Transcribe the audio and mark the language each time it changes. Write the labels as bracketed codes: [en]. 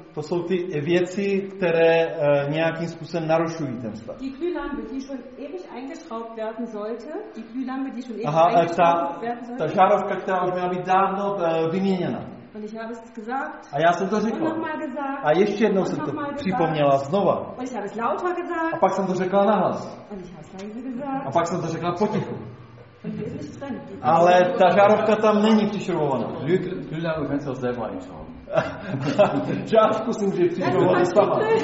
[cs] To jsou ty věci, které nějakým způsobem narušují ten vztah. [de] Die Glühlampe, die schon ewig eingeschraubt werden sollte, die Glühlampe, die schon ewig eingeschraubt werden sollte. [cs] Aha, ta žárovka, která už měla být dávno vyměněna. [de] Und ich habe es gesagt. [cs] A já jsem to řekla. [de] Und nochmal gesagt. [cs] A ještě jednou jsem to připomněla znova. [de] Und ich habe es lauter gesagt. [cs] A pak jsem to řekla nahlas. [de] Und ich habe es leise gesagt. [cs] A pak jsem to řekla potichu. Mm-hmm. Ale ta žárovka tam není přišroubovaná. [de] Glühlampe kannst du auch selber einschrauben. [cs] Žárovku si může přišroubovat sama.